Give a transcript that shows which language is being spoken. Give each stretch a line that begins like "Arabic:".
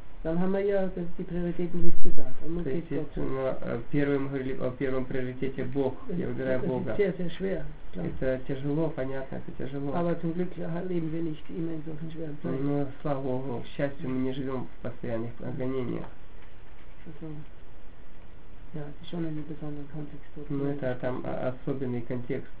German: dann haben wir ja das, die Prioritäten nicht gesagt. Und man sieht Gott.
Russian: Но, первый, мы говорили о первом приоритете Бог. Я выбираю это, Бога. Это сейчас
German: schwer.
Russian: Это тяжело, понятно, это тяжело.
German: Aber zum Glück leben wir nicht immer in solchen schweren Zeiten.
Russian: Но, слава Богу, к счастью, мы не живем в постоянных гонениях.
German: Ja, das ist schon ein besonderer Kontext.
Russian: Ну, это там особенный контекст.